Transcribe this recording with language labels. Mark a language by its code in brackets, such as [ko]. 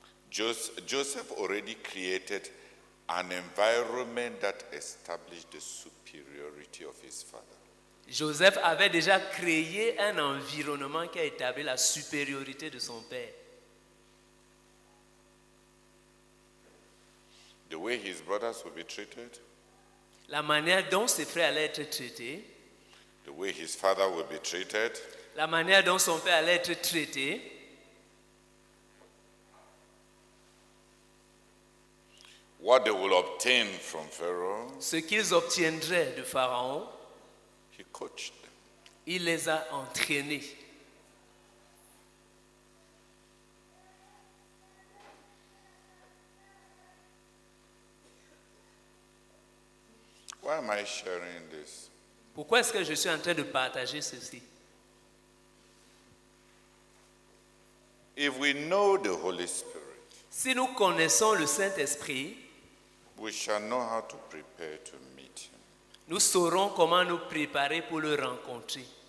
[en] Joseph already created an environment that established the superiority of his father. [fr] Joseph avait déjà créé un environnement qui a établi la supériorité de son père. [en] The way his brothers would be treated. [fr] La manière dont ses frères allaient être traités. [en] The way his father would be treated. [fr] La manière dont son père allait être traité. [en] What they will obtain from Pharaoh, [fr] ce qu'ils obtiendraient de Pharaon, [en] he coached them. [fr] Il les a entraînés. [en] Why am I sharing this? [fr] Pourquoi est-ce que je suis en train de partager ceci? [en] If we know the Holy Spirit, [fr] si nous connaissons le Saint-Esprit, [en] we shall know how to prepare to meet him. [fr] Nous saurons comment nous préparer pour le rencontrer.